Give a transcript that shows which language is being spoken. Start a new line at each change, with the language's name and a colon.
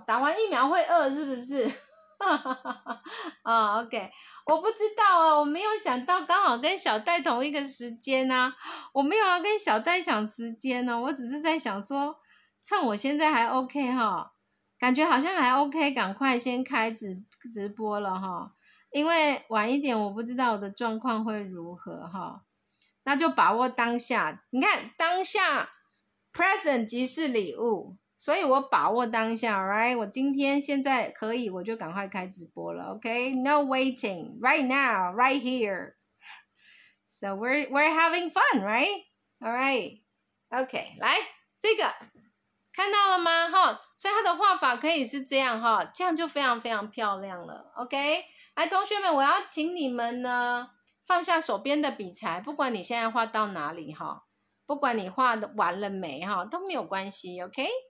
Chinese: 打完疫苗会饿是不是？哈哈哈哈啊 ，OK， 我不知道啊，我没有想到刚好跟小戴同一个时间啊，我没有要跟小戴抢时间呢、啊，我只是在想说，趁我现在还 OK 哈，感觉好像还 OK， 赶快先开直播了哈，因为晚一点我不知道我的状况会如何哈，那就把握当下，你看当下 present 即是礼物。所以我把握当下 ，right？ 我今天现在可以，我就赶快开直播了 ，OK？No、okay?
English: waiting, right now, right here. So we're having fun, right? All right,
Chinese: OK， 来这个看到了吗？哈，所以它的画法可以是这样哈，这样就非常非常漂亮了 ，OK？来，同学们，我要请你们呢放下手边的笔材，不管你现在画到哪里哈，不管你画完了没哈，都没有关系 ，OK？